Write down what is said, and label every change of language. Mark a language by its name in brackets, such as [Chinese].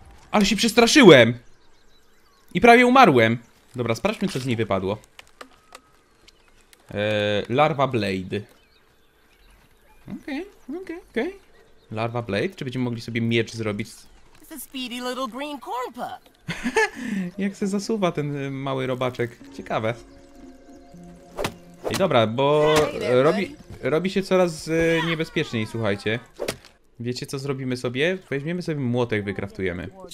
[Polish] Ale się przestraszyłem. I prawie umarłem. Dobra, sprawdźmy, co z niej wypadło. Larva Blade. Okej, okay, okej, okay, okej. Okay. Larva Blade? Czy będziemy mogli sobie miecz zrobić? [English] It's a speedy little green corn pup. [Polish] Jak się zasuwa ten mały robaczek. Ciekawe. I dobra, bo robi się coraz niebezpieczniej, słuchajcie. Wiecie, co zrobimy sobie? Weźmiemy sobie młotek, wykraftujemy.